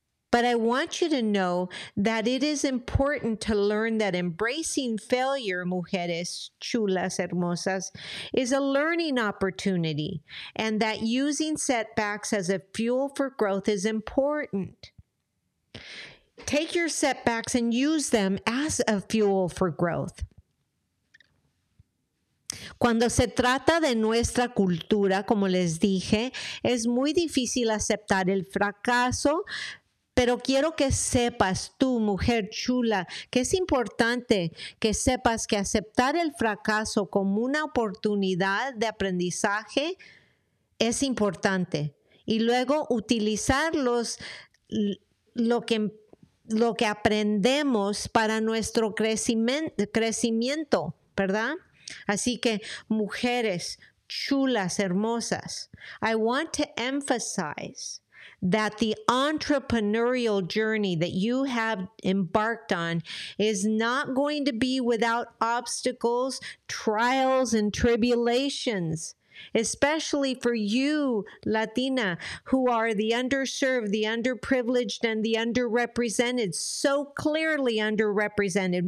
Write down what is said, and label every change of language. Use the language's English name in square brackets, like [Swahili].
[English] But I want you to know that it is important to learn that embracing failure, [Spanish] mujeres chulas, hermosas, [English] is a learning opportunity, and that using setbacks as a fuel for growth is important. take your setbacks and use them as a fuel for growth. [Spanish] Cuando se trata de nuestra cultura, como les dije, es muy difícil aceptar el fracaso, pero quiero que sepas tú, mujer chula, que es importante que sepas que aceptar el fracaso como una oportunidad de aprendizaje es importante. Y luego utilizar lo que aprendemos para nuestro crecimiento, ¿verdad? Así que, mujeres chulas, hermosas, [English] I want to emphasize that the entrepreneurial journey that you have embarked on is not going to be without obstacles, trials, and tribulations, especially for you, Latina, who are the underserved, the underprivileged, and the underrepresented, so clearly underrepresented.